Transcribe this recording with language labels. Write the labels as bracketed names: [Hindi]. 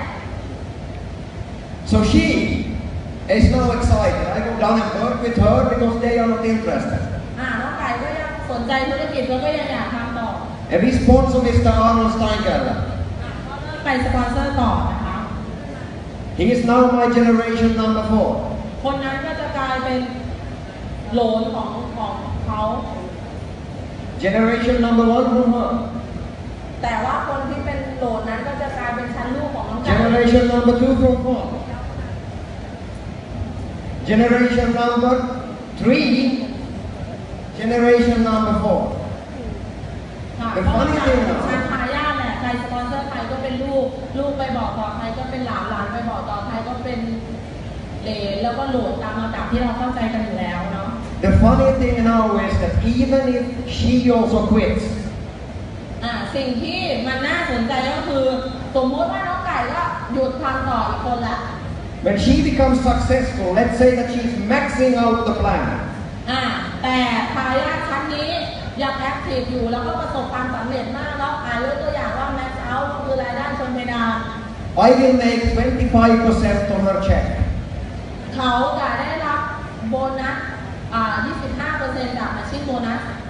[English] ว So she is now excited I go down and work with her because they are not interested [Thai] น้องไก่ก็ยังสนใจธุรกิจแล้วก็ยังอยากทำต่อ [English] And we sponsor Mr. Arnold Steinker [Thai] ไปสปอนเซอร์ต่อนะคะ [English] He is now my generation number 4 [Thai] คนนั้นก็จะกลายเป็นโหลนของเขา [English] Generation number 1 from her [Thai] แต่ว่าคนที่เป็นโหลนนั้นก็จะกลายเป็นชั้นลูกของน้อง [English] กัน Generation number 2 from her Generation number 3 Generation number 4 The funny thing is [Thai] ใครสปอนเซอร์ใครก็เป็นลูกลูกไปบอกต่อใครก็เป็นหลานหลานไปบอกต่อใครก็เป็นเหลนแล้วก็โหลดตามลำดับที่เราเข้าใจกันอยู่แล้วเนาะ [English] The funny thing now is that even if she also quits [Thai] สิ่งที่มันน่าสนใจก็คือสมมติว่าน้องไก่ก็หยุดทำต่ออีกคนละ [English] When she becomes successful let's say that she's maxing out the plan [Thai] แต่ทายาทชั้นนี้ยังแอคทีฟอยู่แล้วก็ประสบความสำเร็จมากเนาะยกตัวอย่าง [English] I will make 25% on her check. [Thai] เขาจะได้รับโบนัส 25% จากอาชีพโบนัส